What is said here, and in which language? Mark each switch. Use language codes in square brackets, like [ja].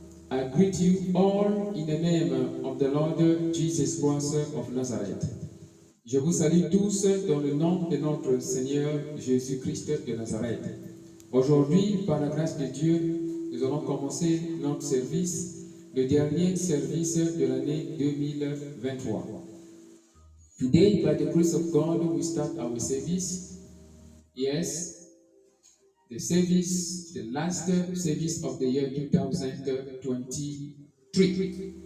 [en] I greet you all in the name of the Lord Jesus Christ of Nazareth. [fr] Je vous salue tous dans le nom de notre Seigneur Jésus Christ de Nazareth. Aujourd'hui, par la grâce de Dieu, nous allons commencer notre service, le dernier service de l'année 2023. [en] Today, by the grace of God, we start our service. Yes, the service, the last service of the year 2023.